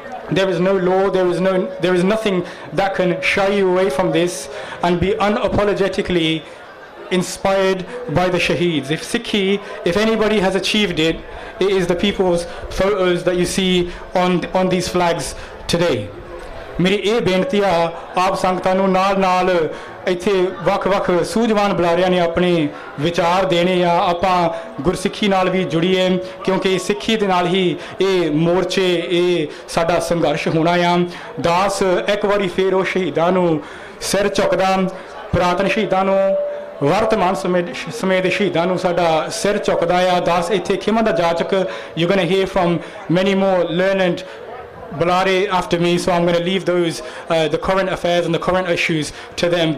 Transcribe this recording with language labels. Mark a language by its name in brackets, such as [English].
[English] There is no law, there is nothing that can shy you away from this, and be unapologetically inspired by the Shaheeds. If Sikhi, if anybody has achieved it, it is the people's photos that you see on these flags today. [Punjabi] ਮੇਰੀ ਇਹ ਬੇਨਤੀ ਆ ਆਪ ਸੰਗਤਾਂ ਨੂੰ ਨਾਲ ਨਾਲ ਇੱਥੇ ਵੱਖ ਵੱਖ ਸੂਝਵਾਨ ਬੁਲਾਰਿਆਂ ਨੇ ਆਪਣੇ ਵਿਚਾਰ ਦੇਣੇ ਆ, ਆਪਾਂ ਗੁਰਸਿੱਖੀ ਨਾਲ ਵੀ ਜੁੜੀਏ, ਕਿਉਂਕਿ ਸਿੱਖੀ ਦੇ ਨਾਲ ਹੀ ਇਹ ਮੋਰਚੇ, ਇਹ ਸਾਡਾ ਸੰਘਰਸ਼ ਹੋਣਾ ਆ। ਦਾਸ ਇੱਕ ਵਾਰੀ ਫਿਰ ਉਹ ਸ਼ਹੀਦਾਂ ਨੂੰ ਸਿਰ ਝੁਕਦਾ, ਪੁਰਾਤਨ ਸ਼ਹੀਦਾਂ ਨੂੰ, ਵਰਤਮਾਨ ਸਮੇਂ ਦੇ ਸ਼ਹੀਦਾਂ ਨੂੰ ਸਾਡਾ ਸਿਰ ਝੁਕਦਾ ਆ। ਦਾਸ ਇੱਥੇ ਖਿਮਾ ਦਾ Jachak, [English] You can hear from many more learned Bulare after me, so I'm going to leave those the current affairs and the current issues to them.